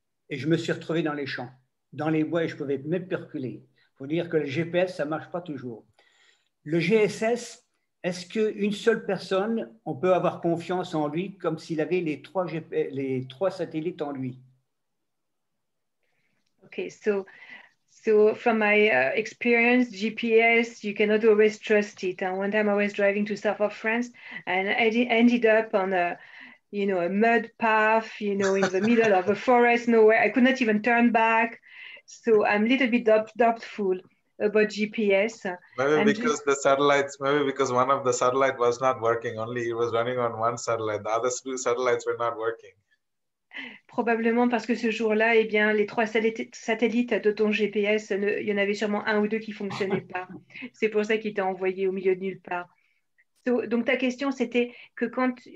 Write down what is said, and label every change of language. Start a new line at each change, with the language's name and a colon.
French: Et je me suis retrouvé dans les champs, dans les bois, et je ne pouvais même plus reculer. Il faut dire que le GPS, ça ne marche pas toujours. Le GSS, est-ce qu'une seule personne, on peut avoir confiance en lui comme s'il avait les trois satellites en lui?
English: Okay, so from my experience, GPS, you cannot always trust it. And one time I was driving to south of France and I ended up on a mud path, you know, in the middle of a forest, nowhere. I could not even turn back. So I'm a little bit doubtful. about GPS. The satellites, maybe because one of the satellites was not working, only it was running on one satellite, the other two satellites were not working.
French: Probablement parce que ce jour-là, eh bien, les trois satellites de ton GPS, il y en avait sûrement un ou deux qui ne fonctionnaient pas. C'est pour ça qu'il t'a envoyé au milieu de nulle part. Donc, ta question, c'était que quand